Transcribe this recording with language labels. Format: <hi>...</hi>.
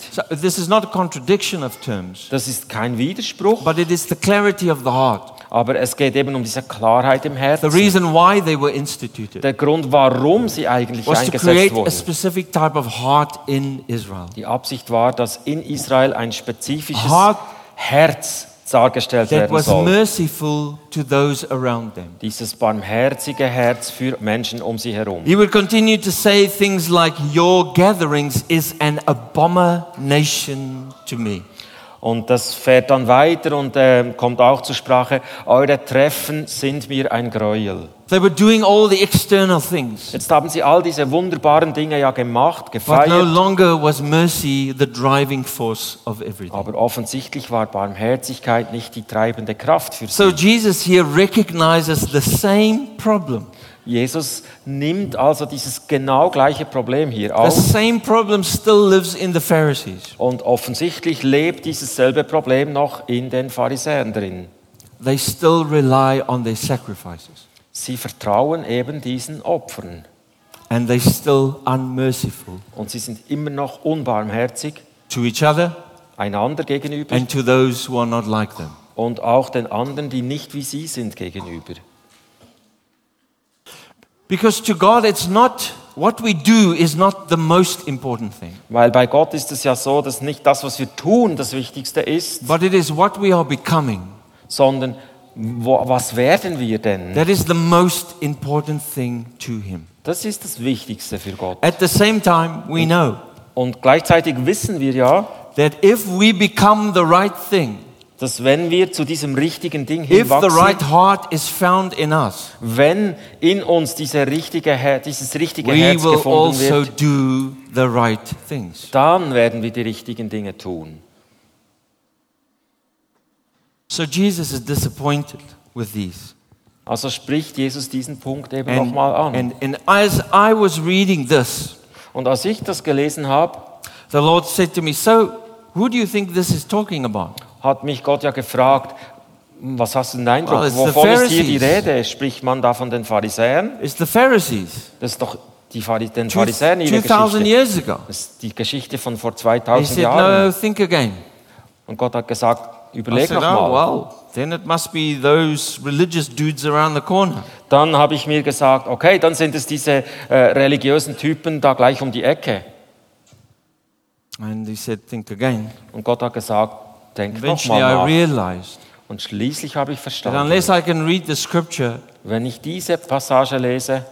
<en>So, this is not a contradiction of terms.</en> <de>Das ist kein Widerspruch.</de> <en>But it is the clarity of the heart.</en> <de>Aber es geht eben um diese Klarheit im Herzen.</de> <en>The reason why they were instituted.</en> <de>Der Grund, warum sie eigentlich</de> <en>was</en> <de>eingesetzt</de> <en>to create</en> <de>wurden.</de> <en>A specific type of heart in Israel.</en> <de>Die Absicht war, dass in Israel ein spezifisches</de> <en>heart</en> <de>Herz dargestellt</de> <en>that</en> <de>werden</de> <en>was</en> <de>soll.</de> <en>Merciful to those around them.</en> <de>Dieses barmherzige Herz für Menschen um sie herum.</de> <en>He will continue to say things like, "Your gatherings is an abomination to me."</en> <de>Und das fährt dann weiter und kommt auch zur Sprache. Eure Treffen sind mir ein Gräuel.</de> <en>They were doing all the external things.</en> <de>Jetzt haben sie all diese wunderbaren Dinge ja gemacht, gefeiert.</de> <en>But no longer was mercy the driving force of everything.</en> <de>Aber offensichtlich war Barmherzigkeit nicht die treibende Kraft für sie.</de> <en>So Jesus here recognizes the same problem.</en> <de>Jesus nimmt also dieses genau gleiche Problem hier auf.</de> <en>The same problem still lives in the Pharisees.</en> <de>Und offensichtlich lebt dieses selbe Problem noch in den Pharisäern drin.</de> <en>They still rely on their sacrifices.</en> <de>Sie vertrauen eben diesen Opfern.</de> <en>And they still unmerciful.</en> <de>Und sie sind immer noch unbarmherzig.</de> <en>To each other.</en> <de>Einander gegenüber.</de> <en>And to those who are not like them.</en> <de>Und auch den anderen, die nicht wie sie sind, gegenüber.</de> <en>Because to God it's not what we do is not the most important thing.</en> <de>Weil bei Gott ist es ja so, dass nicht das was wir tun das wichtigste ist.</de> <en>But it is what we are becoming.</en> <de>Sondern was werden wir denn?</de> <en>That is the most important thing to him.</en> <de>Das ist das wichtigste für Gott.</de> <en>At the same time we know.</en> <de>Und gleichzeitig wissen wir ja,</de> <en>that if we become the right thing,</en> <de>dass wenn wir zu diesem richtigen Ding hinwachsen,</de> <en>if the right heart is found in us,</en> <de>wenn in uns dieses richtige Herz gefunden wird,</de> <en>we will also do the right things.</en> <de>Dann werden wir die richtigen Dinge tun.</de> <en>So Jesus is disappointed with these.</en> <de>Also spricht Jesus diesen Punkt eben nochmal an.</de> <en>And as I was reading this,</en> <de>und als ich das gelesen habe,</de> <en>the Lord said to me, so who do you think this is talking about?</en> <de>Hat mich Gott ja gefragt, was hast du denn Eindruck? Well, wovon ist hier die Rede? Spricht man da von den Pharisäern?</de> <en>It's the Pharisees.</en> <de>Das ist doch die den Pharisäern ihre</de> <en>2000</en> <de>Geschichte.</de> <en>Years ago.</en> <de>Das ist die Geschichte von vor 2000</de> <en>said,</en> <de>Jahren.</de> <en>No, think again.</en> <de>Und Gott hat gesagt, überleg noch mal.</de> <en>Well, then it must be those religious dudes around the corner.</en> <de>Dann habe ich mir gesagt, okay, dann sind es diese religiösen Typen da gleich um die Ecke.</de> <en>And he said, think again.</en> <de>Und Gott hat gesagt, denk noch mal nach.</de> <en>I realized,</en> <de>und schließlich habe ich verstanden,</de> <en>that unless I can read the scripture,</en> <de>wenn ich diese Passage lese,</de>